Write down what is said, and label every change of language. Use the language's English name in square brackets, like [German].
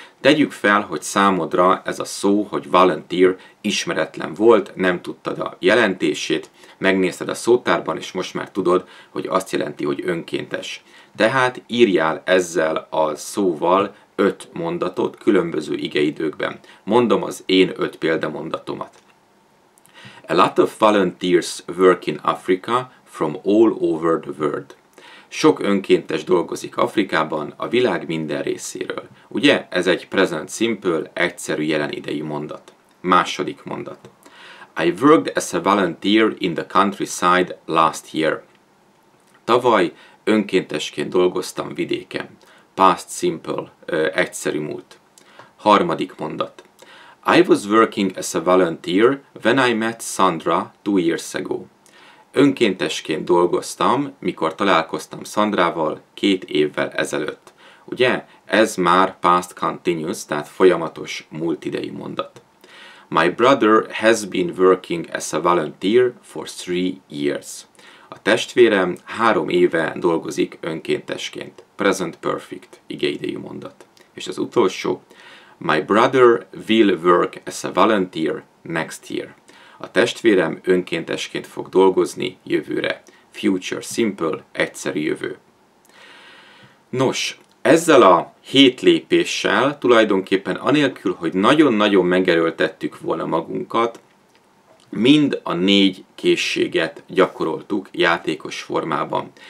[Hungarian] Tegyük fel, hogy számodra ez a szó, hogy volunteer ismeretlen volt, nem tudtad a jelentését, megnézted a szótárban, és most már tudod, hogy azt jelenti, hogy önkéntes. Tehát írjál ezzel a szóval 5 mondatot különböző igeidőkben. Mondom az én 5 példamondatomat. [English] A lot of volunteers work in Africa from all over the world. [Hungarian] Sok önkéntes dolgozik Afrikában, a világ minden részéről. Ugye? Ez egy present simple, egyszerű jelen idei mondat. Második mondat. [English] I worked as a volunteer in the countryside last year. [Hungarian] Tavaly önkéntesként dolgoztam vidéken. Past simple, egyszerű múlt. Harmadik mondat. [English] I was working as a volunteer when I met Sandra 2 years ago. [Hungarian] Önkéntesként dolgoztam, mikor találkoztam Sandrával 2 évvel ezelőtt. Ugye? Ez már past continuous, tehát folyamatos múlt idei mondat. [English] My brother has been working as a volunteer for 3 years. [Hungarian] A testvérem 3 éve dolgozik önkéntesként. Present perfect, igeidejű mondat. És az utolsó. [English] My brother will work as a volunteer next year. [Hungarian] A testvérem önkéntesként fog dolgozni jövőre. Future simple, egyszerű jövő. Nos, ezzel a 7 lépéssel tulajdonképpen anélkül, hogy nagyon-nagyon megerőltettük volna magunkat, mind a 4 készséget gyakoroltuk játékos formában.